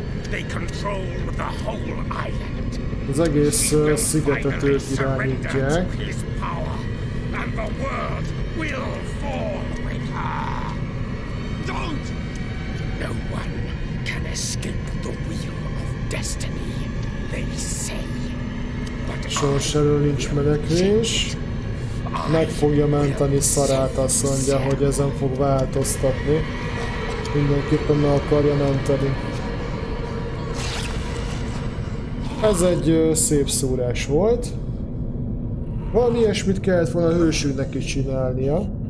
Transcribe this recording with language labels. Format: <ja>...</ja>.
<en>They control the whole island.</en> <hu>Az egész szigetet ők irányítják.</hu> <en>And the world will fall with her. Don't! No one can escape the wheel of destiny, they say.</en> <hu>Sors elől nincs menekvés. Meg fogja menteni Sarát, azt mondja, hogy ezen fog változtatni. Mindenképpen meg akarja menteni. Ez egy szép szúrás volt. Valami ilyesmit kellett volna a hősünknek is csinálnia.</hu>